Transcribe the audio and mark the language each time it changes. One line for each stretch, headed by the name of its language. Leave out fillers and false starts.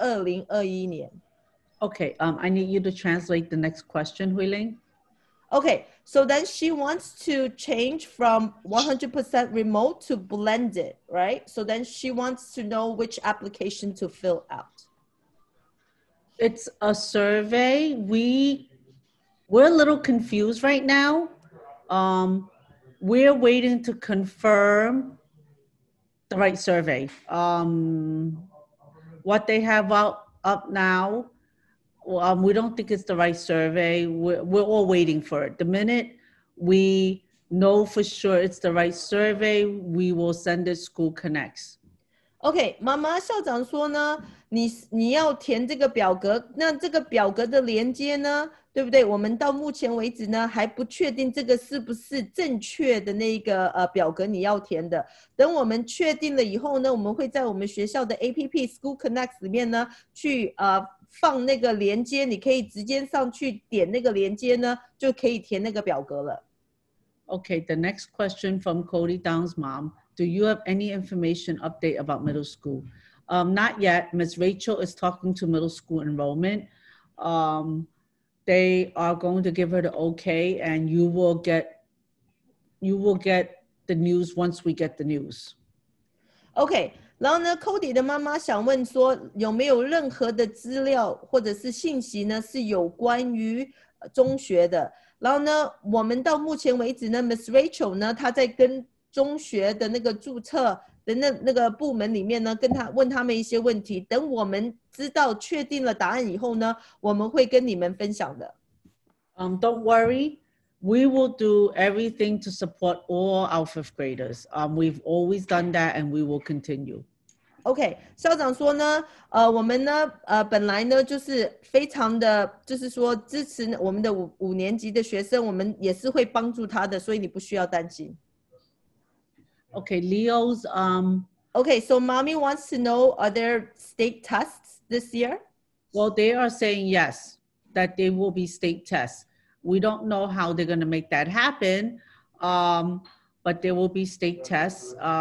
Chinese: 答案是只可以那个，现在如果你错过这个时期呢，你下一次回来读书就是9月2021年。Okay,
English: I need you to translate the next question, Huiling. Okay, so then she wants to change from 100% remote to blended, right? So then she wants to know which application to fill out. It's a survey. We We're a little confused right now. We're waiting to confirm the right survey. What they have up now, we don't think it's the right survey. We're all waiting for it. The minute we know for sure it's the right survey, we will send it School Connects.
Chinese: Okay, 妈妈校长说呢，你要填这个表格，那这个表格的连接呢，对不对？我们到目前为止呢，还不确定这个是不是正确的那个表格你要填的。等我们确定了以后呢，我们会在我们学校的 APP School Connects 里面呢，去放那个连接，你可以直接上去点那个连接呢，就可以填那个表格了。
English: Okay, the next question from Cody Down's mom. Do you have any information update about middle school? Not yet. Ms. Rachel is talking to middle school enrollment. They are going to give her the okay, and you will get the news once we get the news. Okay.
Chinese: 然后呢 ，Cody 的妈妈想问说，有没有任何的资料或者是信息呢，是有关于中学的？然后呢，我们到目前为止呢 ，Ms. Rachel 呢，她在跟中学的那个注册的那个部门里面呢，跟他问他们一些问题。等我们知道确定了答案以后呢，我们会跟你们分享的。
English: Don't worry, we will do everything to support all our fifth graders. We've always done that, and we will continue.
Chinese: Okay, 校长说呢，我们呢，本来呢就是非常的，就是说支持我们的五年级的学生，我们也是会帮助他的，所以你不需要担心。
English: Okay, Leo's. Okay, so mommy wants to know, are there state tests this year? Well, they are saying yes, that they will be state tests. We don't know how they're going to make that happen, but there will be state tests.